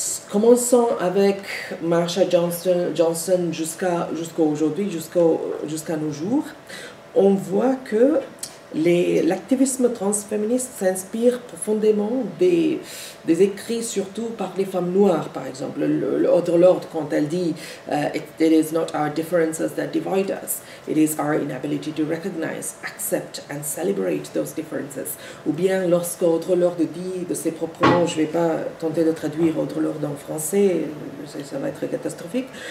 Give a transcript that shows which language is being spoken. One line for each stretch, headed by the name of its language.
French: Commençons avec Marsha Johnson jusqu'à nos jours. On voit que l'activisme transféministe s'inspire profondément des écrits, surtout par les femmes noires, par exemple.
English: Audre Lorde,
French: quand elle dit
English: it is not our differences that divide us, it is our inability to recognize, accept and celebrate those differences.
French: Ou bien lorsque Audre Lorde dit de ses propres mots, je ne vais pas tenter de traduire Audre Lorde en français, ça va être catastrophique.